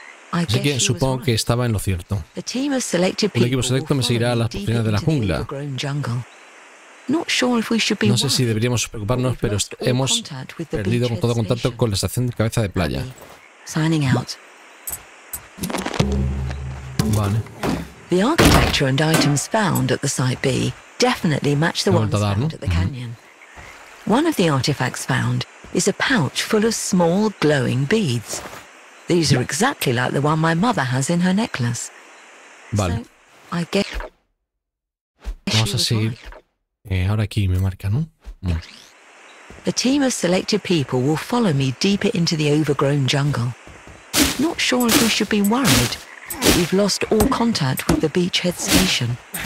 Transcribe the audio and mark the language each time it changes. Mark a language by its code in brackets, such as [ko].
[es] Así que supongo que estaba en lo cierto. Un equipo selecto me seguirá a las profundidades de la jungla. No sé si deberíamos preocuparnos, pero hemos perdido todo contacto con la estación de Cabeza de Playa. Vale. [en] The architecture and items found at the site B definitely match the ones found at the canyon. One of the artifacts found is a pouch full of small glowing beads. These are exactly like the one my mother has in her necklace. [es] Vale. [en] So, I guess. [es] Vamos a seguir. Ahora aquí me marca, ¿no? [en] a team of selected people will follow me deeper into the overgrown jungle. Not sure if we should be worried. We've lost all contact with the beachhead station.